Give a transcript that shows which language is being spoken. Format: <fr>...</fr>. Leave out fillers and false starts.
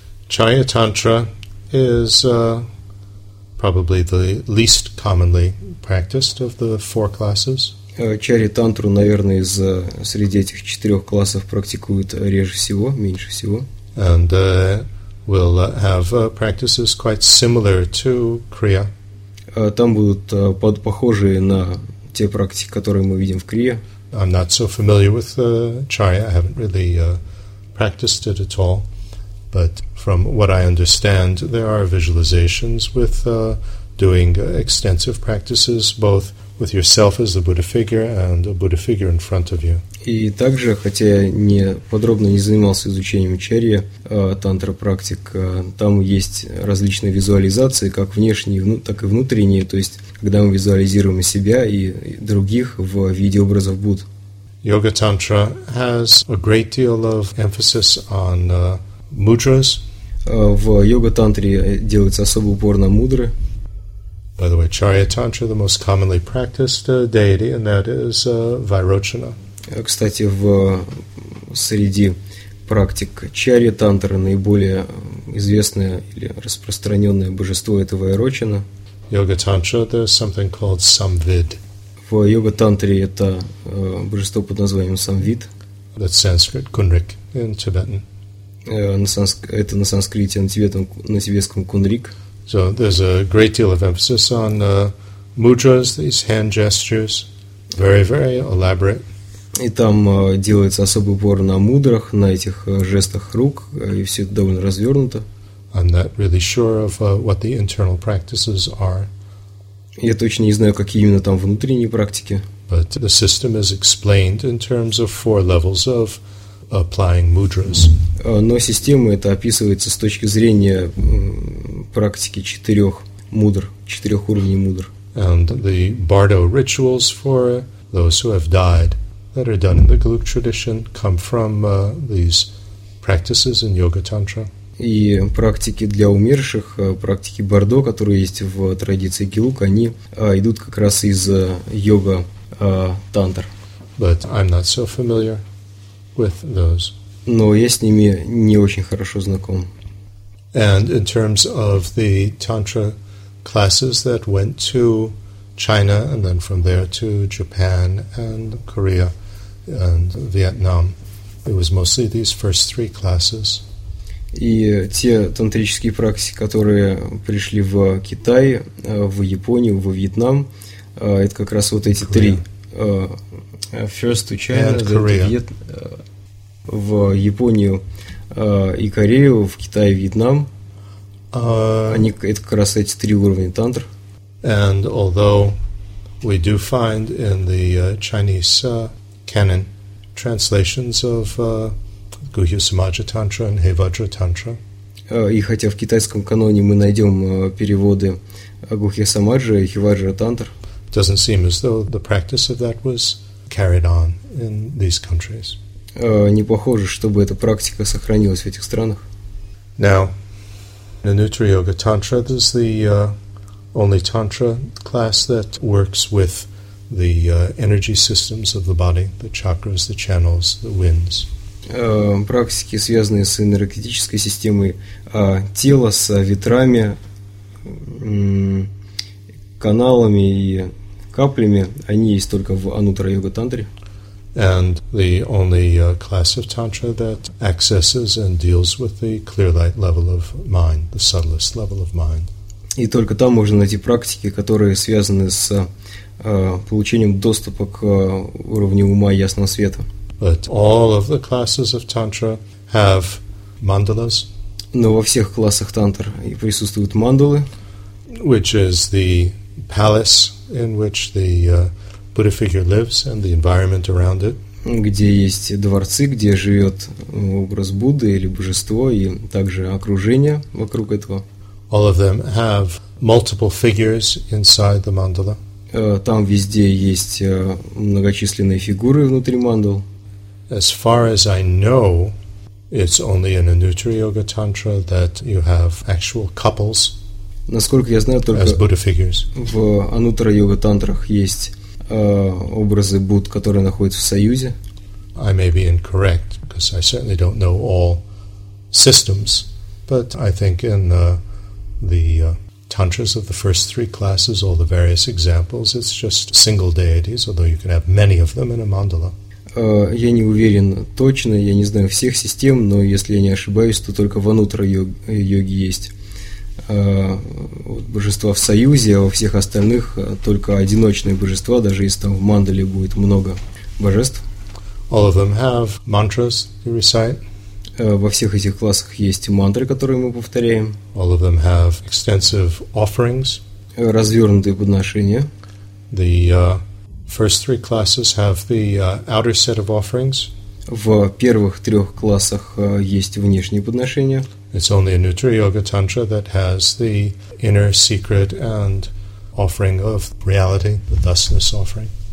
<en>Chaya Tantra is probably the least commonly practiced of the four classes.</en> <ru>Чари Тантру, наверное, из среди этих четырех классов практикуют реже всего, меньше всего.</ru> <en>And will have practices quite similar to Kriya.</en> <ru>Там будут похожие на те практики, которые мы видим в Крие.</ru> <en>I'm not so familiar with Chaya. I haven't really practiced it at all. But from what I understand, there are visualizations with doing extensive practices, both with yourself as the Buddha figure and a Buddha figure in front of you.</en> <ru>И также, хотя я не подробно не занимался изучением Чарья, тантра-практик, там есть различные визуализации, как внешние, так и внутренние, то есть когда мы визуализируем себя и других в виде образов Будд.</ru> <en>Yoga Tantra has a great deal of emphasis on mudras.</en> <ru>В йога-тантре делается особый упор на мудры.</ru> <en>By the way, Charya Tantra, the most commonly practiced deity, and that is Vairochana.</en> <ru>Кстати, в среди практик Чарья Тантра наиболее известное или распространенное божество – это Вайрочана.</ru> <en>Yoga Tantra, there's something called Samvid.</en> <ru>В Yoga Tantra это божество под названием Samvid.</ru> <en>That's Sanskrit, Kunrik in Tibetan.</en> <ru>Это на санскрите, на тибетском Кунрик.</ru> <en>So there's a great deal of emphasis on mudras, these hand gestures, very, very elaborate.</en> <ru>И там делается особый упор на мудрах, на этих жестах рук, и все это довольно развернуто.</ru> <en>I'm not really sure of what the internal practices are.</en> <ru>Я точно не знаю, какие именно там внутренние практики.</ru> <en>But the system is explained in terms of four levels of applying mudras.</en> <ru>Но система это описывается с точки зрения практики четырех мудр, четырех уровней мудр.</ru> <en>and the bardo rituals for those who have died that are done in the Galuk tradition come from these practices in yoga tantra.</en> <ru>И практики для умерших, практики бардо, которые есть в традиции Гилук, они идут как раз из йога тантр.</ru> <en>But I'm not so familiar with those.</en> <ru>Но я с ними не очень хорошо знаком.</ru> <en>And in terms of the tantra classes that went to China and then from there to Japan and Korea and Vietnam, it was mostly these first three classes.</en> <ru>И те тантрические практики, которые пришли в Китай, в Японию, во Вьетнам, это как раз вот эти три.</ru> <en>First to China, and Korea.</en> <ru>В Японию и Корею, в Китай и Вьетнам. Они, это как раз эти три уровня тантр.</ru> <en>And although we do find in the Chinese canon translations of Guhyu Samaja Tantra and Heivajra Tantra.</en> <ru>И хотя в китайском каноне мы найдем переводы Guhyu Samaja и Heivajra Tantra.</ru> <en>Doesn't seem as though the practice of that was carried on in these countries.</en> <ru>Не похоже, чтобы эта практика сохранилась в этих странах.</ru> <en>Now, the Nutra Yoga Tantra is the only tantra class that works with the energy systems of the body, the chakras, the channels, the winds.</en> <ru>Практики, связанные с энергетической системой тела, с ветрами, каналами и каплями, они есть только в анутра-йога-тантре.</ru> <en>And the only class of tantra that accesses and deals with the clear light level of mind, the subtlest level of mind.</en> <ru>И только там можно найти практики, которые связаны с получением доступа к уровню ума ясного света.</ru> <en>But all of the classes of tantra have mandalas.</en> <ru>Но во всех классах тантр присутствуют мандалы,</ru> <en>which is the palace in which the Buddha figure lives and the environment around it.</en> <ru>Где есть дворцы, где живет образ Будды или божество и также окружение вокруг этого.</ru> <en>All of them have multiple figures inside the mandala.</en> <ru>Там везде есть многочисленные фигуры внутри мандал.</ru> <en>As far as I know, it's only in a Nutra Yoga Tantra that you have actual couples.</en> <ru>Насколько я знаю, только</ru> <en>as Buddha figures.</en> <ru>В Анутра Йога Тантрах есть образы Будд, которые находятся в союзе.</ru> <en>I may be incorrect because I certainly don't know all systems, but I think in the tantras of the first three classes, all the various examples, it's just single deities, although you can have many of them in a mandala.</en> <ru>Я не уверен точно, я не знаю всех систем, но если я не ошибаюсь, то только в анутра йоге есть божества в союзе, а во всех остальных только одиночные божества, даже если там в мандале будет много божеств.</ru> <en>All of them have mantras to recite.</en> <ru>Во всех этих классах есть мантры, которые мы повторяем.</ru> <en>All of them have extensive offerings.</en> <ru>Развернутые подношения.</ru> <en>First three classes have the outer set of offerings.</en> <ru>В первых трех классах есть внешние подношения.</ru> <en>It's only a Nutra Yoga Tantra that has the inner secret and offering of reality, the thusness offering.</en>